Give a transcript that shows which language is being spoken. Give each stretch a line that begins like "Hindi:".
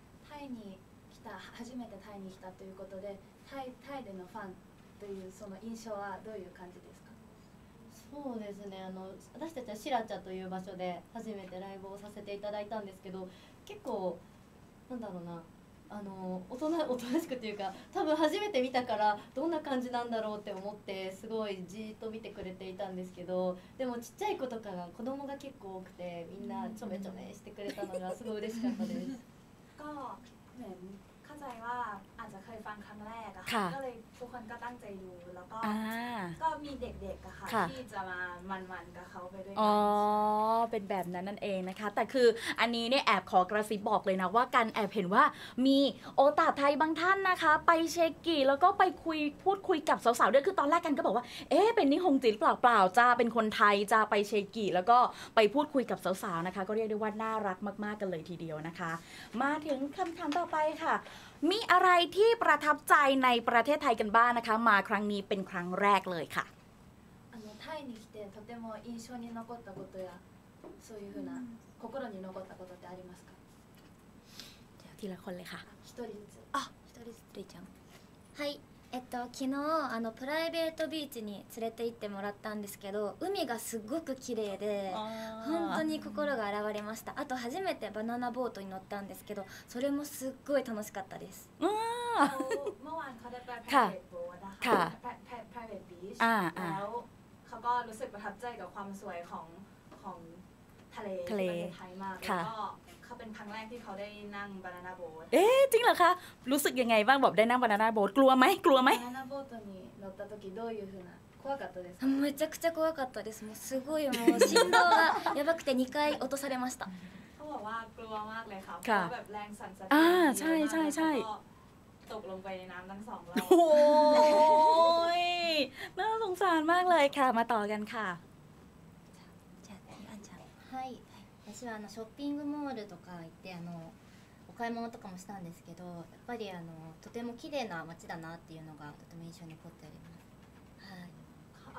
Thai: ไทยนี่ขึ้นมาครั้งแรกไทยนี่ขึ้นมา
Japanese: ということでไทยでのファンというその印象はどういう感じですかそうですね、あの私たちはシラチャという場所で初めてライブをさせていただいたんですけど結構なんだろうなあの大人しくというか多分初めて見たからどんな感じなんだろうって思ってすごいじーっと見てくれていたんですけどでもちっちゃい子とかが子供が結構多くてみんなちょめちょめしてくれたのがすごい嬉しかったです
Thai: ก็เนี่ยเข้าใจว่าอาจจะเคยฟังครั้งแรกอะค่ะก็เลยทุกคนก็ตั้งใจดูแล้วก็มีเด็กๆอะค่ะที่จะมาหมั่นๆกับเขาไปด้วย อ๋อเป็นแบบนั้นนั่นเองนะคะแต่คืออันนี้เนี่ยแอบขอกระซิบบอกเลยนะว่ากันแอบเห็นว่ามีโอตาไทยบางท่านนะคะไปเช็คกี่แล้วก็ไปคุยพูดคุยกับสาวๆด้วยคือตอนแรกกันก็บอกว่าเอ๊ะเป็นนิฮงจิเปล่าจ้าเป็นคนไทยจ้าไปเช็คกี่แล้วก็ไปพูดคุยกับสาวๆนะคะก็เรียกได้ว่าน่ารักมากๆกันเลยทีเดียวนะคะมาถึงคำถามต่อไปค่ะมีอะไรที่ประทับใจในประเทศไทยกันบ้างนะคะมาครั้งนี้เป็นครั้งแรกเลยค่ะ
Japanese: あのタイに来てとても印象に残ったことやそういうふうな心に残ったことってありますかじゃあ
Thai: ทีละคนเลยค่ะ
Japanese: 一人ずつあ一人ずつりちゃんはい昨日あのプライベートビーチに連れて行ってもらったんですけど海がすごく綺麗で本当に心が洗われましたあと初めてバナナボートに乗ったんですけどそれもすっごい楽しかったですうんもうあのこれプライベートビーチだかプライベートビーチ
Thai: แล้ว เขาก็รู้สึกประทับใจกับความสวยของทะเลประเทศไทยมากแล้วก็เขาเป็นครั้งแรกที่เขาได้นั่งบานาน่าโบ๊ท เอ๊ะจริงเหรอคะรู้สึกยังไงบ้างแบบได้นั่งบานาน่าโบ๊ทกลัวไหมกลัวไหม บานาน่าโบ๊ทนี่
Japanese: 乗った時どういうふうな怖かったですかめちゃくちゃ怖かったですもうすごいもう振動がやばくて2回落とされました
Thai: เขาบอกว่ากลัวมากเลยค่ะเพราะแบบแรงสั่นส ะเทือนใช่ใช่ใช่ ตกลงไปในน้ำทั้งสองแล้ว โอ้ยน่าสงสารมากเลยค่ะมาต่อกันค่ะ จ้าที่อันจ้าใช่
Japanese: 私はあのショッピングモールとか行ってあのお買い物とかもしたんですけどやっぱりあのとても綺麗な街だなっていうのがとても印象に残っております。